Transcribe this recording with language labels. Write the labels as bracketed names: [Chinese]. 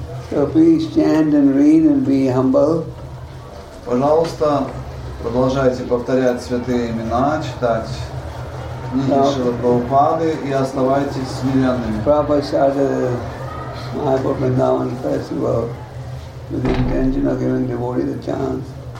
[English] So please stand and read and be humble. [Russian] Пожалуйста, продолжайте повторять святые имена, читать книги Шрилы Прабхупады и оставайтесь смиренными. [English] Prabhupada started Mayapur Vrindavan Festival with the intention of giving devotees a chance